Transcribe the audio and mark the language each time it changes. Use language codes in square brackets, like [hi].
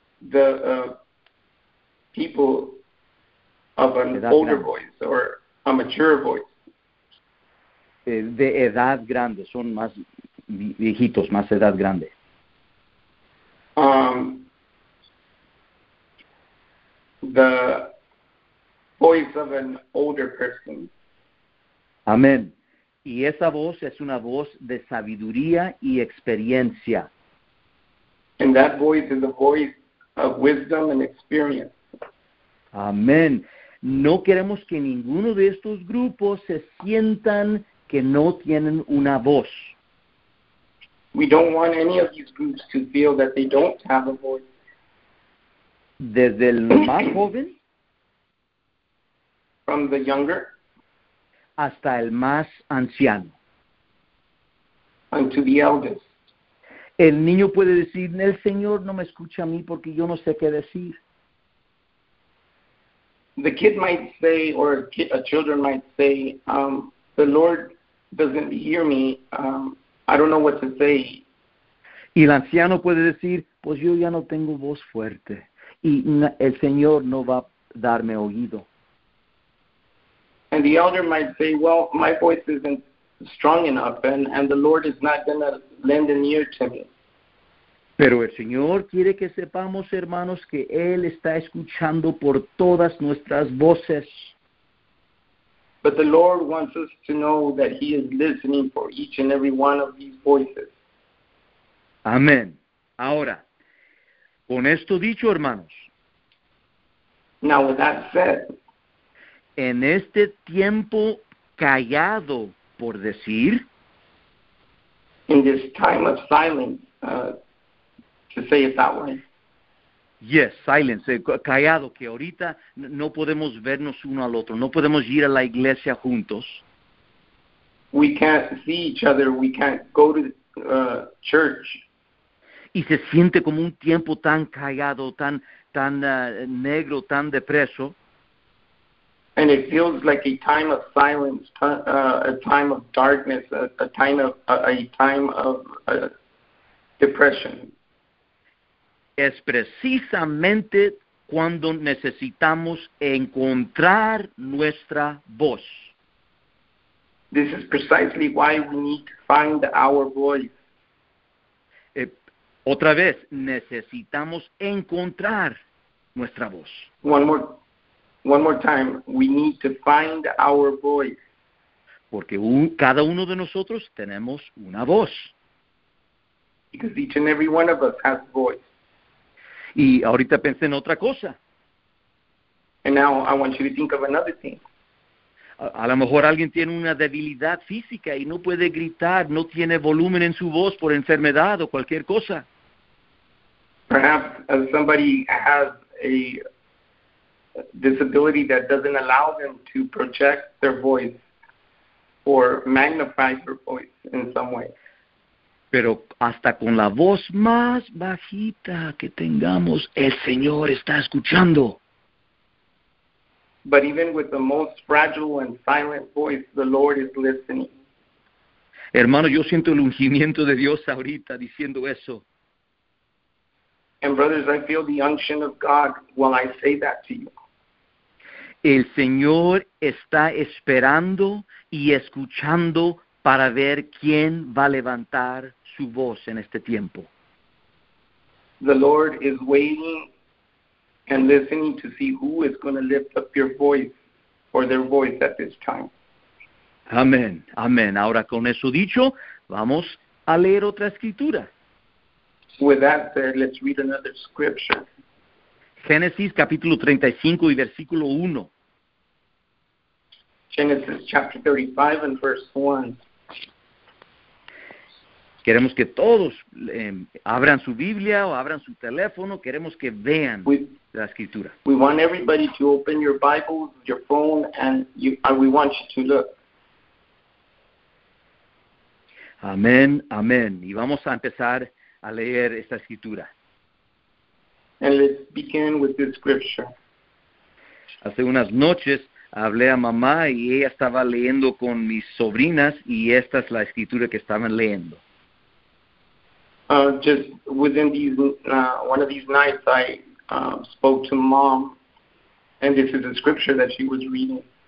[en] The people of an edad older grande. Voice or a mature voice. [es] De edad grande, son más viejitos, más edad grande. [en] The voice of an older person. [es] Amén. Y esa voz es una voz de sabiduría y experiencia. [en] And that voice is a voice of wisdom and experience. [es] Amén. No queremos que ninguno de estos grupos se sientan que no tienen una voz. [en] We don't want any of these groups to feel that they don't have a voice. [es] Desde el más joven, [en] from the younger, [es] hasta el más anciano, [en] unto the eldest. [es] El niño puede decir, el Señor no me escucha a mí porque yo no sé qué decir. [en] The kid might say, or children might say, the Lord doesn't hear me, I don't know what to say. [es] Y el anciano puede decir, pues yo ya no tengo voz fuerte. Y el Señor no va a darme oído. [en] And the elder might say, well, my voice isn't strong enough, and the Lord is not going to lend an ear to me. [es] Pero el Señor quiere que sepamos, hermanos, que Él está escuchando por todas nuestras voces. [en] But the Lord wants us to know that He is listening for each and every one of these voices. [es] Amén. Ahora, con esto dicho, hermanos. [en] Now, with that said, [es] en este tiempo callado, por decir, [en] in this time of silence, to say it that way. Yes, silence, [es] callado, que ahorita no podemos vernos uno al otro, no podemos ir a la iglesia juntos. [en] We can't see each other, we can't go to church. [es] Y se siente como un tiempo tan callado, tan negro, tan depreso. [en] And it feels like a time of silence, a time of darkness, a time of depression. [es] Es precisamente cuando necesitamos encontrar nuestra voz. [en] This is precisely why we need to find our voice. [es] Otra vez, necesitamos encontrar nuestra voz. [en] One more time, we need to find our voice. [es] Porque cada uno de nosotros tenemos una voz. [en] Because each and every one of us has a voice. [es] Y ahorita pensé en otra cosa. [en] And now I want you to think of another thing. [es] A lo mejor alguien tiene una debilidad física y no puede gritar, no tiene volumen en su voz por enfermedad o cualquier cosa. [en] Perhaps somebody has a disability that doesn't allow them to project their voice. or magnify your voice in some way. [es] Pero hasta con la voz más bajita que tengamos, el Señor está escuchando. [en] But even with the most fragile and silent voice, the Lord is listening. [es] Hermano, yo siento el ungimiento de Dios ahorita diciendo eso. [en] And brothers, I feel the unction of God while I say that to you. [es] El Señor está esperando y escuchando para ver quién va a levantar su voz en este tiempo. [en] The Lord is waiting and listening to see who is going to lift up your voice or their voice at this time. [es] Amén, amén. Ahora con eso dicho, vamos a leer otra escritura. [en] With that said, let's read another scripture. [es] Génesis capítulo 35 y versículo 1. [en] Genesis chapter 35 and verse 1. [es] Queremos que todos abran su Biblia o abran su teléfono. Queremos que vean la escritura. [en] We want everybody to open your Bible, your phone, and we want you to look. [es] Amén, amén. Y vamos a empezar a leer esta escritura. [en] And let's begin with this scripture. [es] Hace unas noches hablé a mamá y ella estaba leyendo con mis sobrinas y esta es la escritura que estaban leyendo. [en] Just within these, one of these nights I spoke to mom and this is the scripture that she was reading.